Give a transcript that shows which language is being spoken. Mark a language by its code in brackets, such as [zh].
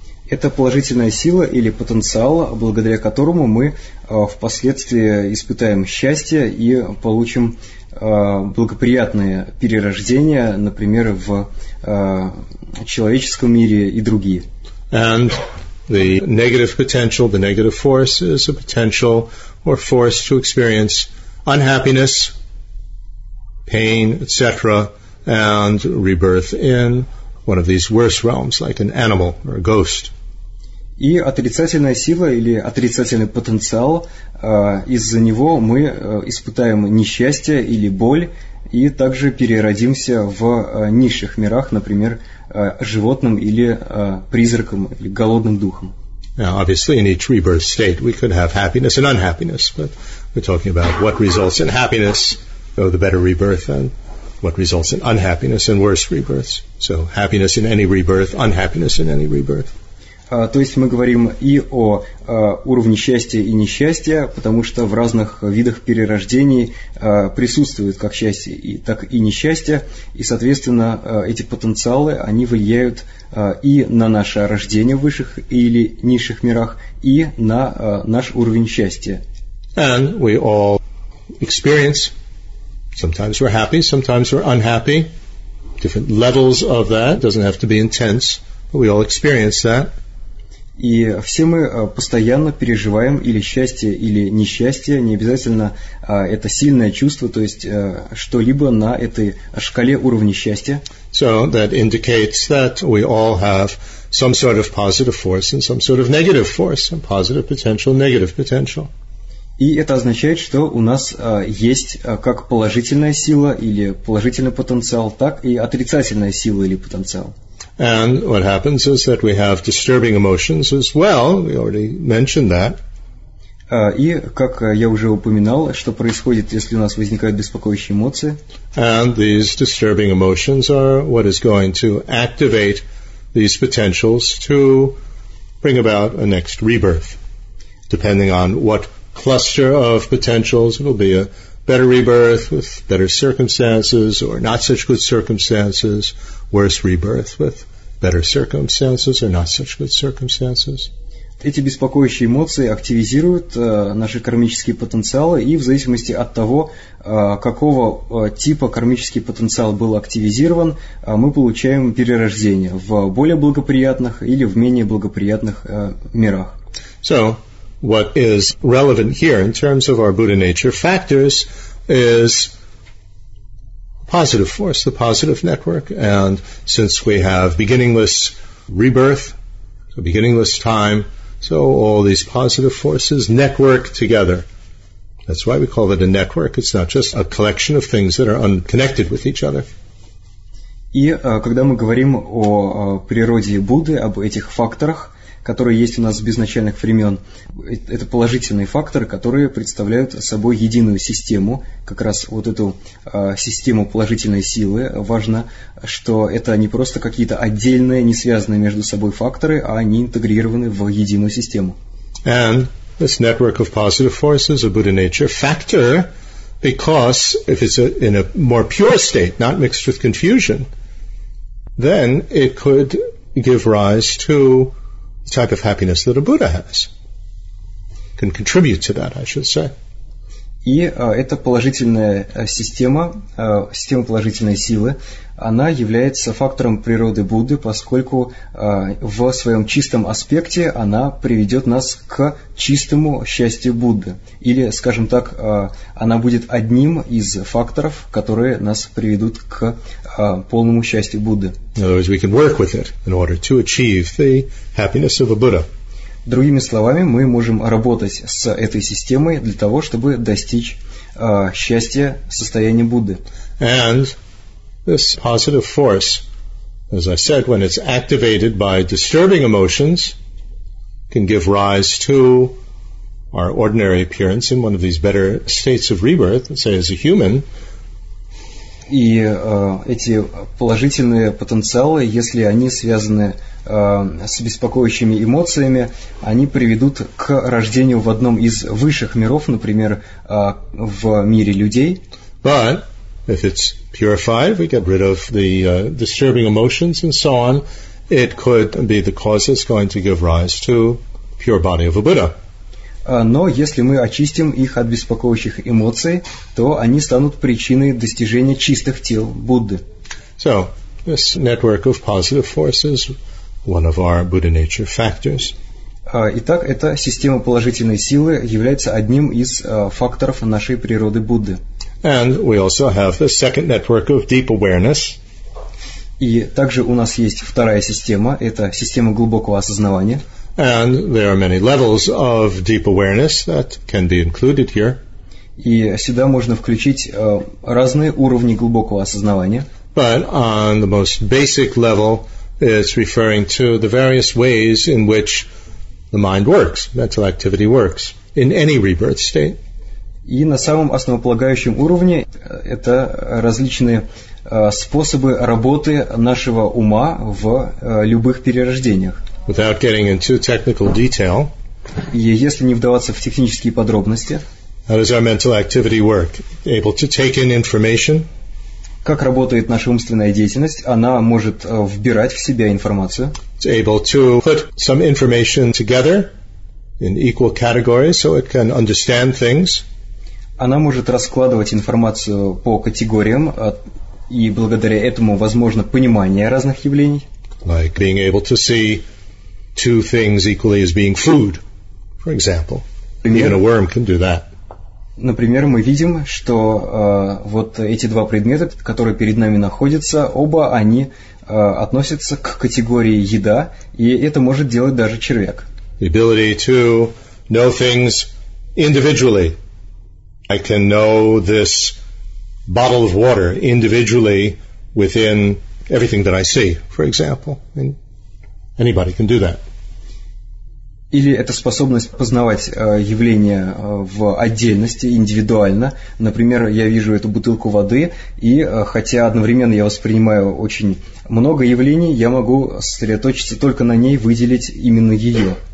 [ru] Это положительная сила или потенциал, благодаря которому мы впоследствии испытаем счастье и получим благоприятные перерождения, например, в человеческом мире и другие. [en] And the negative potential, the negative force, is a potential or force to experience unhappiness, pain, etc., and rebirth in one of these worse realms, like an animal or a ghost. [ru] И отрицательная сила или отрицательный потенциал, из-за него мы испытаем несчастье или боль и также переродимся в низших мирах, например, животным или призраком, или голодным духом. [en] Now, obviously, in each rebirth state, we could have happiness and unhappiness, but we're talking about what results in happiness, though the better rebirth, and what results in unhappiness and worse rebirths. So, happiness in any rebirth, unhappiness in any rebirth. [ru] То есть мы говорим и о уровне счастья и несчастья, потому что в разных видах перерождений присутствует как счастье, так и несчастье, и, соответственно, эти потенциалы, они влияют и на наше рождение в высших или низших мирах, и на наш уровень счастья. [en] And we all experience, sometimes we're happy, sometimes we're unhappy, different levels of that, doesn't have to be intense, but we all experience that. [ru] И все мы постоянно переживаем или счастье, или несчастье, не обязательно это сильное чувство, то есть что-либо на этой шкале уровня счастья. [en] So that indicates that we all have some sort of positive force and some sort of negative force, some positive potential, negative potential. [ru] И это означает, что у нас есть как положительная сила или положительный потенциал, так и отрицательная сила или потенциал. [en] And what happens is that we have disturbing emotions as well. We already mentioned that. [ru] И как я уже упоминал, что происходит, если у нас возникают беспокоящие эмоции? [en] And these disturbing emotions are what is going to activate these potentials to bring about a next rebirth. Depending on what cluster of potentials, it'll be a better rebirth with better circumstances or not such good circumstances, worse rebirth with better circumstances or not such good circumstances. [ru] Эти беспокоящие эмоции активизируют наши кармические потенциалы, и в зависимости от того, какого типа кармический потенциал был активизирован, мы получаем перерождение в более благоприятных или в менее благоприятных мирах. [en] So, what is relevant here in terms of our Buddha nature factors is positive force, the positive network. And since we have beginningless rebirth, so beginningless time, so all these positive forces network together. That's why we call it a network. It's not just a collection of things that are unconnected with each other. [ru] И когда мы говорим о природе Будды, об этих факторах, которые есть у нас с безначальных времен, это положительные факторы, которые представляют собой единую систему, как раз вот эту систему положительной силы. Важно, что это не просто какие-то отдельные, не связанные между собой факторы, а они интегрированы в единую систему. [en] And this network of positive forces, a Buddha nature factor, because if it's in a more pure state, not mixed with confusion, then it could give rise to the type of happiness that a Buddha has, can contribute to that, I should say. [ru] И эта положительная система, система положительной силы, она является фактором природы Будды, поскольку в своем чистом аспекте она приведет нас к чистому счастью Будды. Или, скажем так, она будет одним из факторов, которые нас приведут к полному счастью Будды. [en] In other words, we can work with it in order to achieve the happiness of a Buddha. [ru] Другими словами, мы можем работать с этой системой для того, чтобы достичь счастья состояния Будды. [en] And this positive force, as I said, when it's activated by disturbing emotions, can give rise to our ordinary appearance in one of these better states of rebirth, say, as a human. [ru] И эти положительные потенциалы, если они связаны с беспокоящими эмоциями, они приведут к рождению в одном из высших миров, например, в мире людей. [en] But if it's purified, we get rid of the disturbing emotions and so on, it could be the cause that's going to give rise to pure body of a Buddha. [ru] Но если мы очистим их от беспокоящих эмоций, то они станут причиной достижения чистых тел Будды. [en] So, this network of positive forces, one of our Buddha nature factors. [ru] Итак, эта система положительной силы является одним из факторов нашей природы Будды. [en] And we also have the second network of deep awareness. [ru] И также у нас есть вторая система, это система глубокого осознавания. [en] And there are many levels of deep awareness that can be included here. [ru] И сюда можно включить разные уровни глубокого осознавания. [en] But on the most basic level, it's referring to the various ways in which the mind works, mental activity works, in any rebirth state. [ru] И на самом основополагающем уровне это различные способы работы нашего ума в любых перерождениях. [en] without getting into technical detail, [ru] если не вдаваться в технические подробности, [en] how does our mental activity work? Able to take in information? [ru] Как работает наша умственная деятельность? Она может вбирать в себя информацию. [en] It's able to put some information together in equal categories so it can understand things. [ru] Она может раскладывать информацию по категориям, и благодаря этому возможно понимание разных явлений. [en] Like being able to see two things equally as being food, for example. [ru] Например, [en] even a worm can do that. [ru] Например, мы видим, что вот эти два предмета, которые перед нами находятся, оба они относятся к категории еда, и это может делать даже червяк. [en] The ability to know things individually. I can know this bottle of water individually within everything that I see, for example. And anybody can do that. [ru] Или это способность познавать явления в отдельности, индивидуально. Например, я вижу эту бутылку воды, и хотя одновременно я воспринимаю очень много явлений, я могу сосредоточиться только на ней, выделить именно ее.